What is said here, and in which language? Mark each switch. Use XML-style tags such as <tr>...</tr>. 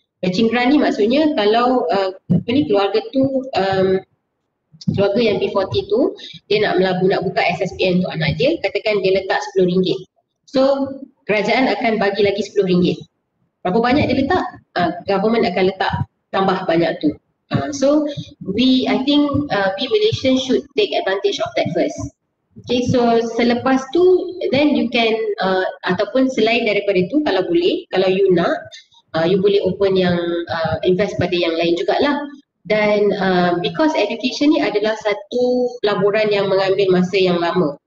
<ms>Matching grant ni maksudnya kalau apa ni, keluarga tu, keluarga yang B40 tu, dia nak melabur, nak buka SSPN untuk anak dia, katakan dia letak RM10. So kerajaan akan bagi lagi RM10. Berapa banyak dia letak, government akan letak tambah banyak tu.</ms> <en>So we, I think we Malaysian should take advantage of that first.</en> <ms>Okay, so selepas tu</ms> <en>then you can</en> <ms>ataupun selain daripada tu, kalau boleh, kalau you nak, you boleh open yang invest pada yang lain jugalah. Dan because education ni adalah satu pelaburan yang mengambil masa yang lama.</ms>